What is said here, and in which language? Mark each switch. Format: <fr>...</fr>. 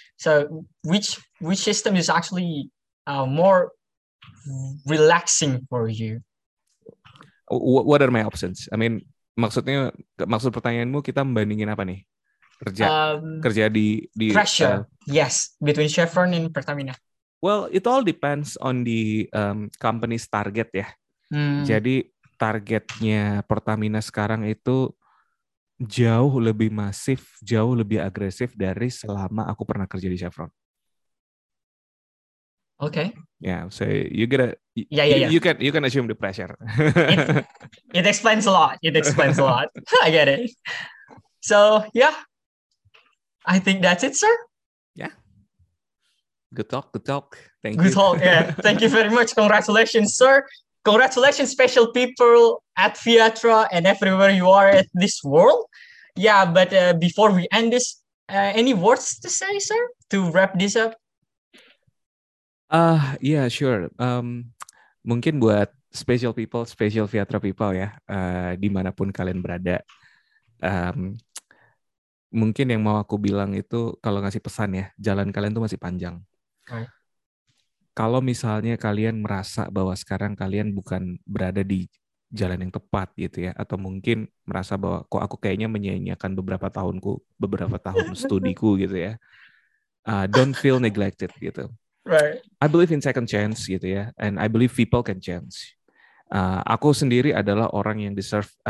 <en>So which system is actually more relaxing for you? What are my options? I mean,</en> <id>maksud pertanyaanmu kita membandingin apa nih? Kerja di</id> <en>pressure. Yes, between Chevron and Pertamina. Well, it all depends on the company's target ya.</en> <id>Jadi targetnya Pertamina sekarang itu jauh lebih masif, jauh lebih agresif dari selama aku pernah kerja di Chevron.</id> <en>Okay. Yeah, so you get a you can assume the pressure. It explains a lot. It explains a lot. I get it. So, yeah. I think that's it, sir. Yeah. Good talk. Thank good Good talk. Yeah. Thank you very much. Congratulations, sir. Congratulations, special people at Viatra and everywhere you are in this world. Yeah, but before we end this, any words to say, sir, to wrap this up? Yeah, sure.</en> <id>Mungkin buat special people, special Viatra people ya, dimanapun kalian berada. Mungkin yang mau aku bilang itu, kalau ngasih pesan ya, jalan kalian tuh masih panjang. Kalau misalnya kalian merasa bahwa sekarang kalian bukan berada di jalan yang tepat gitu ya, atau mungkin merasa bahwa kok aku kayaknya menyia-nyiakan beberapa tahun studiku gitu ya.</id> <en>Don't feel neglected gitu. Right. I believe in second chance gitu ya, and I believe people can change.</en> <id>Aku sendiri adalah orang yang deserve.</id>